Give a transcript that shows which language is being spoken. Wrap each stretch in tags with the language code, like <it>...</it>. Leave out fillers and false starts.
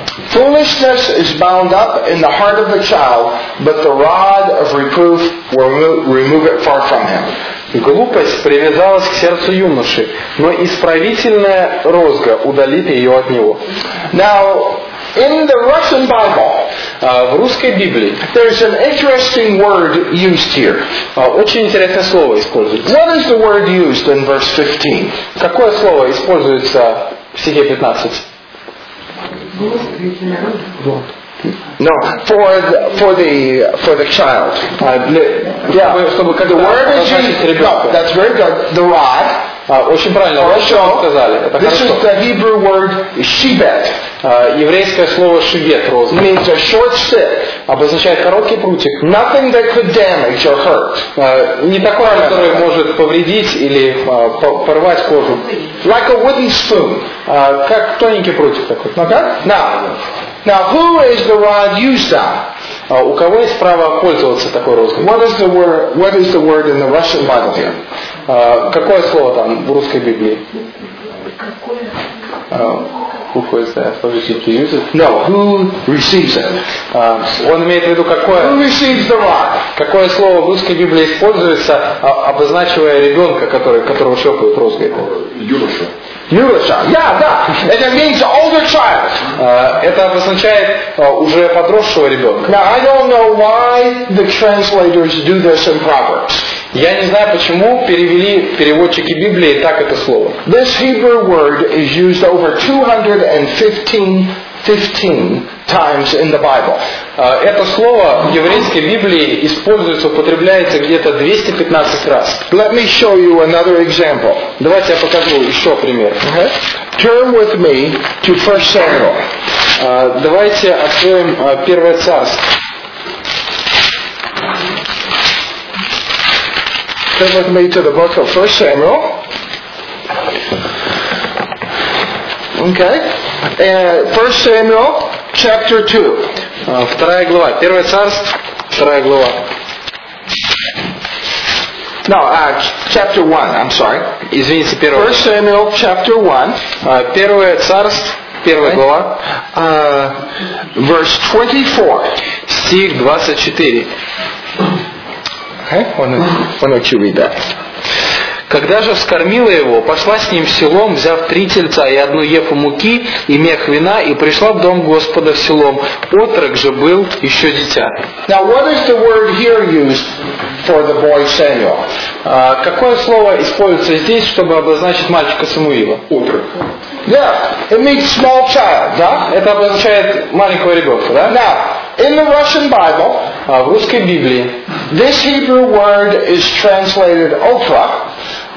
<en>Foolishness is bound up in the heart of the child, but the rod of reproof will remove it far from him.</en> <ru>Глупость привязалась к сердцу юноши, но исправительная розга удалит ее от него.</ru> <en>Now, in the Russian Bible,</en> <ru>в русской Библии,</ru> <en>there's an interesting word used here.</en> <ru>Очень интересное слово используется.</ru> <en>What is the word used in verse 15?</en> <ru>Какое слово используется в стихе 15?</ru> <en>No, for the child.</en> <ru>Чтобы</ru> <en>the word is used. No, that's very good. The rod.</en> <ru>Очень правильно. Хорошо. Сказали.</ru> <en>This</en> <ru>хорошо.</ru> <en>Is the Hebrew word shibet.</en> <ru>Еврейское слово shibet.</ru> <en>Means a short stick.</en> <ru>Обозначает короткий прутик.</ru> <en>Nothing that could damage or hurt.</en> <ru>Не такое, которое может повредить или порвать кожу.</ru> <en>Like a wooden spoon.</en> <ru>Как тоненький прутик такой.</ru> <en>Okay? Now, who is the rod used on?</en> <ru>У кого есть право пользоваться такой розгой?</ru> <en>What is the word in the Russian Bible here?</en> <ru>Какое слово там в русской Библии?</ru> <en>Who is the authority to use it? No, who receives it?</en> <ru>Он имеет в виду какое?</ru> <en>Who receives the rod?</en> <ru>Какое слово в русской Библии используется, обозначивая ребенка, которого шлепают розгой? Юноша. Юноша.</ru> <en>Yeah,</en> <ru>да.</ru> <en>And it means older child.</en> <ru>Это обозначает уже подросшего ребенка.</ru> <en>Now I don't know why the translators do this in Proverbs.</en> <ru>Я не знаю, почему перевели переводчики Библии так это слово.</ru> <en>This Hebrew word is used over 215 times in the Bible.</en> <ru>Это слово в еврейской Библии используется, употребляется где-то 215 раз.</ru> <en>Let me show you another example.</en> <ru>Давайте я покажу еще пример.</ru> <en>Turn with me to 1 Samuel.</en> <ru>Давайте откроем Первое Царство.</ru> <en>Turn with me to the book of 1 Samuel. Okay. 1 Samuel chapter 2.</en> <ru>Вторая глава. Первое царство. Вторая глава.</ru> <en>No, chapter 1. I'm sorry.</en> <ru>Извините, первое.</ru> <en>1 Samuel chapter 1.</en> <ru>Первое царство. Первая глава.</ru> <en>Verse 24.</en> <ru>Стих 24.</ru> <en>Why don't you read that?</en> <ru>Когда же вскормила его, пошла с ним в Силом, взяв три тельца и одну ефу муки и мех вина, и пришла в дом Господа в Силом. Отрок же был еще дитя.</ru> <en>Now what is the word here used for the boy Samuel?</en> <ru>Какое слово используется здесь, чтобы обозначить мальчика Самуила? Отрок.</ru> <en>Yeah, it means small child.</en> <ru>Да? Это обозначает маленького ребенка, да?</ru> <en>Now, in the Russian Bible,</en> <ru>в русской Библии,</ru> <en>this Hebrew word is translated otrok.</en>